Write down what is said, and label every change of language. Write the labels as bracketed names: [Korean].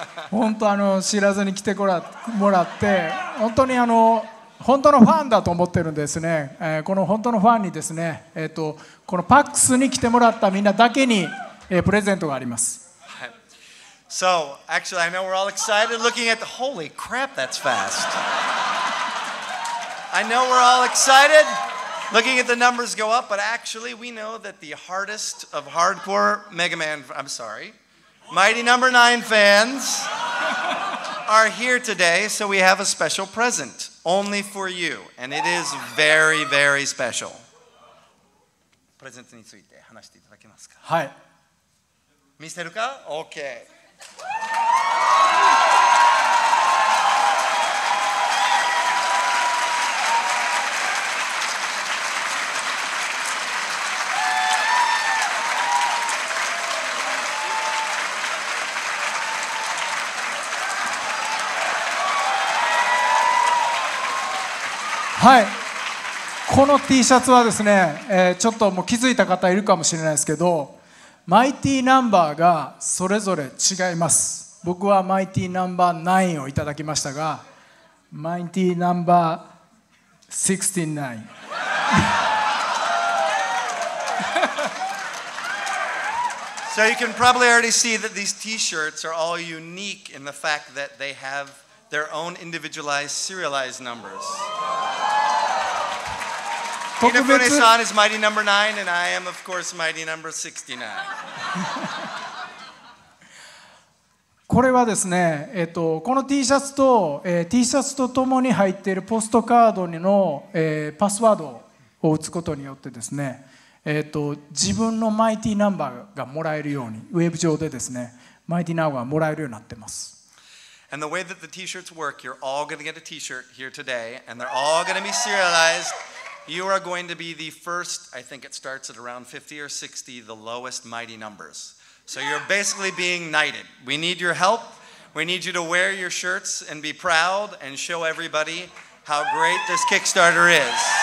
[Japanese] 本当知らずに来てもらって、本当に本当のファンだと思ってるんですね。この本当のファンにですね、このパックスに来てもらったみんなだけにプレゼントがあります。 [English] So, actually, I know we're all excited looking at the... Holy crap, that's fast. I know we're all excited looking at the numbers go up, but actually we know that the hardest of hardcore Mega Man, I'm sorry, Mighty No. 9 fans are here today, so we have a special present only for you, and it is very, very special. [Japanese] プレゼントについて話していただけますか? はい。見せるか?Okay. はい、この T シャツはですね、ちょっともう気づいた方いるかもしれないですけど、マイティナンバーがそれぞれ違います。僕はマイティナンバー9をいただきましたが、マイティナンバー69 [English] So you can probably already see that these T-shirts are all unique in the fact that they have their own individualized serialized numbers. Inafune-san is Mighty No. 9, and I am, of course, Mighty No. 69. [Japanese] これはですね、この T シャツと、T シャツとともに入っているポストカードの、パスワードを打つことによってですね、自分のマイティナンバーがもらえるように、ウェブ上でですね、マイティナンバーがもらえるようになってます。 [English] And the way that the T-shirts work, you're all going to get a T-shirt here today, and they're all going to be serialized. You are going to be the first, I think it starts at around 50 or 60, the lowest mighty numbers. So you're basically being knighted. We need your help. We need you to wear your shirts and be proud and show everybody how great this Kickstarter is.